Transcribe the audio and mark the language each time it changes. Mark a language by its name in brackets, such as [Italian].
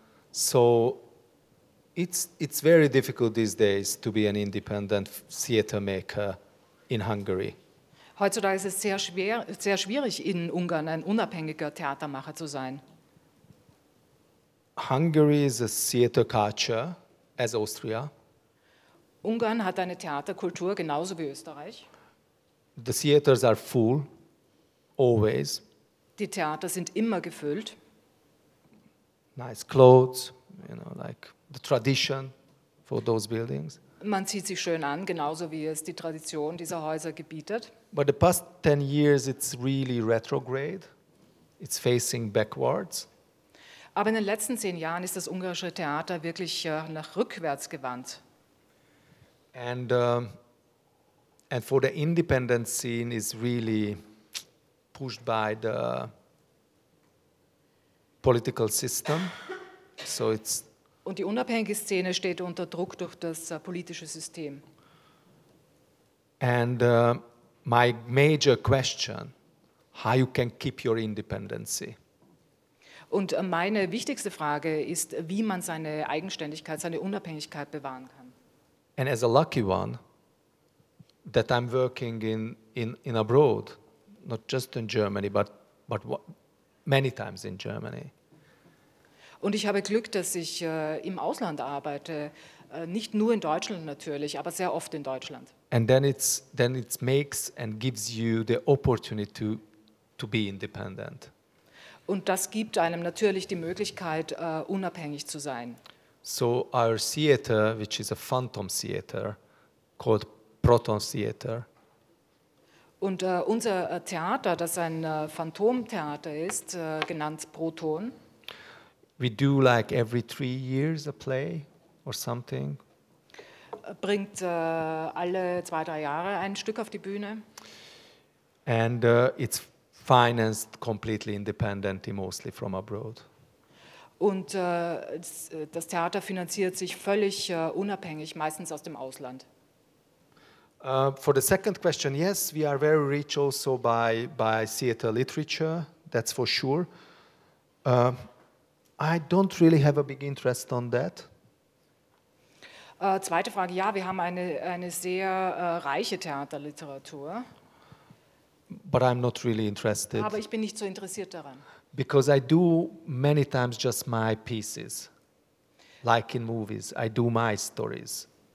[English] So it's very difficult these days to be an independent theater maker in Hungary. [German] Heutzutage ist es sehr schwierig in Ungarn ein unabhängiger Theatermacher zu sein. [English] Hungary is a theater culture as Austria. [German] Ungarn hat eine Theaterkultur genauso wie Österreich. [English] The theaters are full always. [German] Die Theater sind immer gefüllt. [English] Nice clothes, you know, like the tradition for those buildings. [German] Man zieht sich schön an, genauso wie es die Tradition dieser Häuser gebietet. [English] But the past 10 years it's really retrograde. It's facing backwards. [German] Aber in den letzten 10 Jahren ist das ungarische Theater wirklich nach rückwärts gewandt. [English] And And for the independent scene is really pushed by the political system. So it's [German] und die unabhängige Szene steht unter Druck durch das politische System. [English] And my major question, how you can keep your independency? [German] Und meine wichtigste Frage ist, wie man seine Eigenständigkeit, seine Unabhängigkeit bewahren kann. [English] And as a lucky one, that I'm working in abroad, not just in Germany, but many times in Germany. [German] Und ich habe Glück, dass ich im Ausland arbeite, nicht nur in Deutschland natürlich, aber sehr oft in Deutschland. [English] And then it makes and gives you the opportunity to be independent. [German] Und das gibt einem natürlich die Möglichkeit, unabhängig zu sein. [English] So our theater, which is a phantom theater, called Proton Theater. [German] Und unser Theater, das ein Phantomtheater ist, genannt Proton. [English] We do like every 3 years a play or something. [German] Bringt alle 2-3 Jahre ein Stück auf die Bühne. [English] And it's financed completely independently, mostly from abroad. [German] Und das Theater finanziert sich völlig unabhängig, meistens aus dem Ausland. [English] For the second question, yes, we are very rich also by theater literature, that's for sure. I don't really have a big interest on that. [German] Zweite Frage, ja, wir haben eine sehr reiche Theaterliteratur. [English] But I'm not really interested. [German] Aber ich bin nicht so interessiert daran. [English] Because I do many times just my pieces, like in movies, I do my stories.